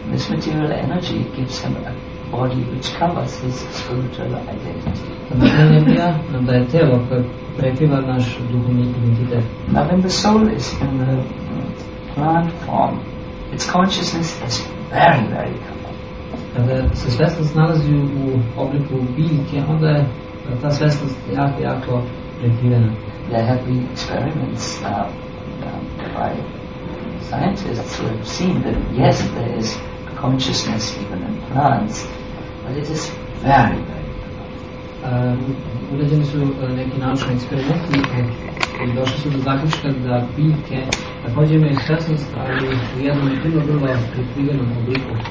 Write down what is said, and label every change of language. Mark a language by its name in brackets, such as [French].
[English] This material energy gives him a body which covers his spiritual identity. [Serbian] Ta materijalna energija nam daje telo koje prekriva naš duhovni identitet. [English] Now when the soul is in the plant form, its consciousness is very, very common. [Serbian] Kada se svjesnost nalazi u obliku biljke, onda je ta svjesnost jako, jako prekrivena. [English] There have been experiments by scientists who have seen that yes, there is consciousness even in plants, but it is very, very common. [Serbian] Uređeni su neki naučni eksperimenti i došli su do zaključka da biljke također imaju svjesnost, ali u jednom vrlo, vrlo prikrivenom obliku.